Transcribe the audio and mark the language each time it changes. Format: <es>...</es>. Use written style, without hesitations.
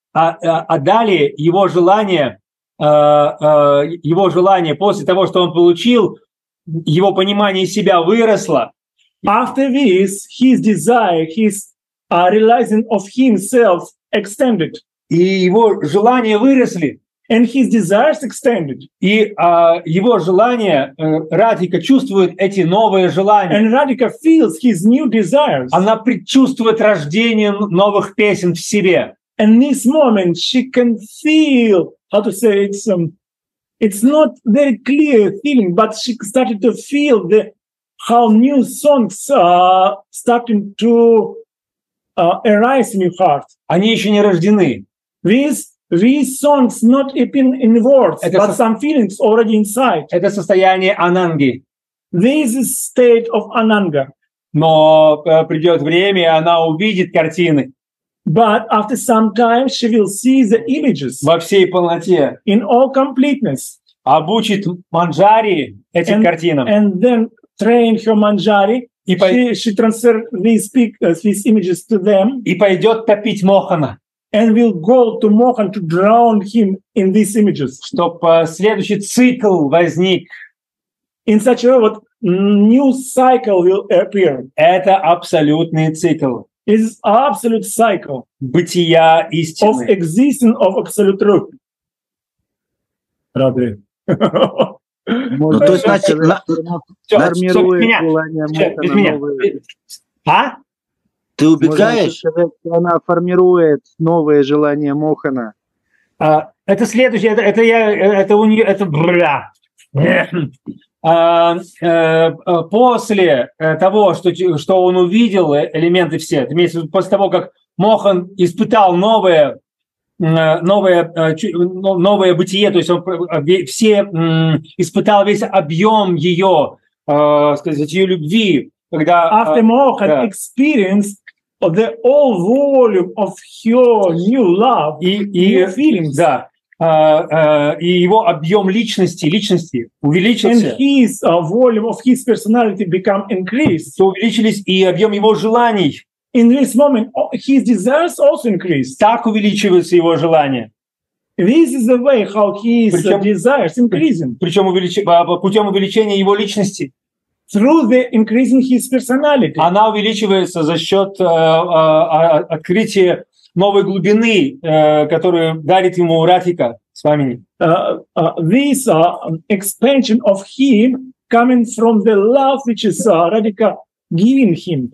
<ru>А далее его желание после того, что он получил его понимание себя выросло.</ru> <en>After this, his desire, his realizing of himself extended.</en> <ru>И его желания выросли.</ru> <en>And his desires extended.</en> <ru>И его желания, Радика чувствует эти новые желания.</ru> <en>And Radhika feels his new desires.</en> <ru>Она предчувствует рождение новых песен в себе.</ru> <en>And this moment she can feel, how to say, it's not very clear feeling, but she started to feel the how new songs are starting to arise in your heart.</en> <ru>Они еще не рождены.</ru> <en>These songs not even in words,</en> <ru>это</ru> <en>but some feelings already inside.</en> <ru>Это состояние ананги.</ru> <en>This is state of ананга.</en> <ru>Но придет время, и она увидит картины.</ru> <en>But after some time she will see the images.</en> <ru>Во всей полноте.</ru> <en>In all completeness.</en> <ru>Обучит манджари этим картинам.</ru> <en>And then train her manjari.</en> <ru>И</ru> <en>she transfer these images to them.</en> <ru>И пойдет топить мохана.</ru> <en>And will go to Mohan to drown him in these images.</en> <ru>Чтоб следующий цикл возник.</ru> <en>In such a way, what new cycle will appear.</en> <ru>Это абсолютный цикл.</ru> <en>It's absolute cycle.</en> <ru>Бытия истины.</ru> <en>Of existence of absolute truth. Рады.</en> <ru>Ну, то есть, значит, формирует желание Мохана новые... А? Ты убегаешь? Может, человек, она формирует новое желание Мохана. Это следующее, это у нее, это бля. После того, что он увидел элементы все, после того, как Мохан испытал новое бытие, то есть он все испытал весь объем ее, сказать, ее любви, когда</ru> <en>after Mohan experienced the all volume of her new love</en> <ru>и</ru> <en>new feelings,</en> <ru>да. И его объем личности увеличился.</ru> <en>Volume of his personality become increased.</en> <ru>То увеличились и объем его желаний.</ru> <en>In this moment, his desires also increased.</en> <ru>Так увеличиваются его желания.</ru> <en>This is the way how his desires increasing.</en> <ru>Причем путем увеличения его личности.</ru> <en>Through the increasing his personality.</en> <ru>Она увеличивается за счет открытия новой глубины, которую дарит ему Радхика с вами.</ru> <en>This expansion of him coming from the love which is Radhika giving him.</en>